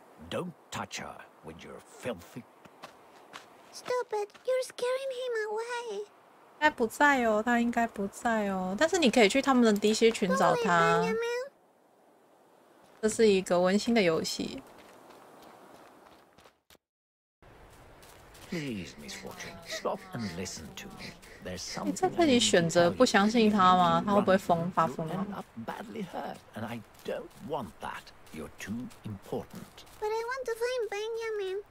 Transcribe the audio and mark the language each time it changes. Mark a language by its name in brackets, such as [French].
[English] Don't touch her with your filthy. Stop it! You're scaring him away. [Chinese] 应该不在哦，他应该不在哦。但是你可以去他们的 DC 群找他。这是一个温馨的游戏。 [English] Please, Miss Fortune, stop and listen to me. There's something. [Chinese] 你在自己选择不相信他吗？他会不会疯发疯吗 [English] ？You end up badly hurt, and I don't want that. You're too important. But I want to find Benjamin.